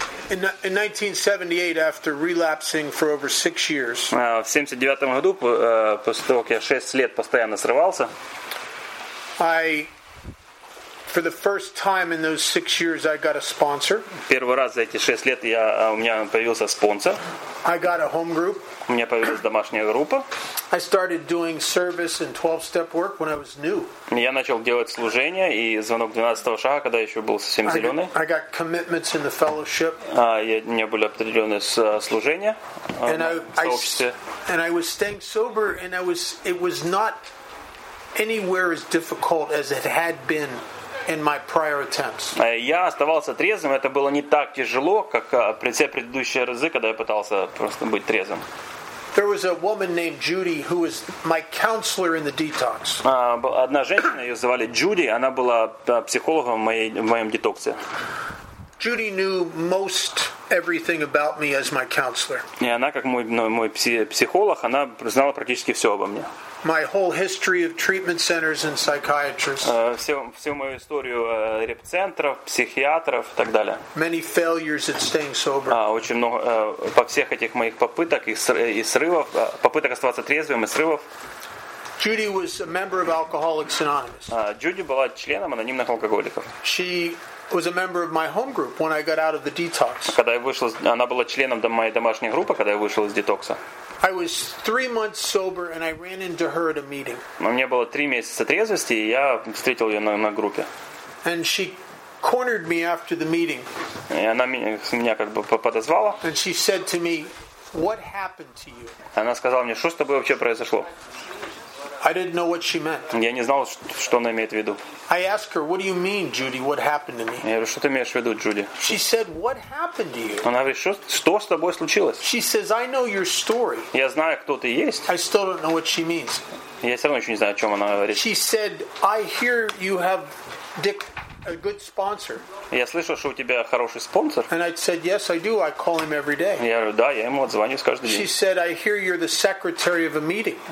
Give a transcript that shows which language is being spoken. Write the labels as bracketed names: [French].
[English] In 1978, after relapsing for over 6 years, [Russian] в 79-м году, после того, как я 6 лет постоянно срывался, [English] I, for the first time in those 6 years, I got a sponsor. [Russian] Первый раз за эти 6 лет у меня появился спонсор. [English] I got a home group. [Russian] У меня появилась домашняя группа. [English] I started doing service and 12-step work when I was new. [Russian] Я начал делать служение и звонок 12-го шага, когда еще был совсем зеленый. [English] I got commitments in the fellowship. [Russian] У меня были определенные служения в сообществе. [English] And I was staying sober, and it was not anywhere as difficult as it had been in my prior attempts. [Russian] Я оставался трезвым, это было не так тяжело, как все предыдущие разы, когда я пытался просто быть трезвым. [English] There was a woman named Judy who was my counselor in the detox. [Russian] Одна женщина, ее звали Джуди, она была психологом в моем детоксе. [English] Judy knew most everything about me as my counselor. [Russian] И она, как мой психолог, она знала практически все обо мне. [English] my whole history of treatment centers and psychiatrists. [Russian] Всю мою историю реабцентров, психиатров и так далее. [English] Many failures at staying sober. [Russian] Очень много по всех этих моих попыток и срывов, попыток оставаться трезвым и срывов. [English] Judy was a member of Alcoholics Anonymous. [Russian] Judy была членом анонимных алкоголиков. [English] She was a member of my home group when I got out of the detox. [Russian] Когда я вышел, она была членом моей домашней группы, когда я вышел из детокса. [English] I was 3 months sober and I ran into her at a meeting. [Russian] У меня было 3 месяца трезвости, и я встретил ее на группе. [English] And she cornered me after the meeting. [Russian] И она меня как бы подозвала. [English] And she said to me, "What happened to you?" [Russian] Она сказала мне, что с тобой вообще произошло? [English] I didn't know what she meant. [Russian] Я не знал, что она имеет в виду. [English] I asked her, "What do you mean, Judy? What happened to me?" [Russian] Я говорю, что ты имеешь в виду, Джуди? [English] She said, "What happened to you?" [Russian] Она говорит, что с тобой случилось? [English] She says, "I know your story." [Russian] Я знаю, кто ты есть. [English] I still don't know what she means. [Russian] Я все равно еще не знаю, о чем она говорит. [English] She said, "I hear you have Dick, a good sponsor." [Russian] Я слышал, что у тебя хороший спонсор. [English] And I said, "Yes, I do. I call him every day." [Russian] Я говорю, да, я ему отзваниваюсь каждый день. [English] She said, "I hear you're the secretary of a meeting."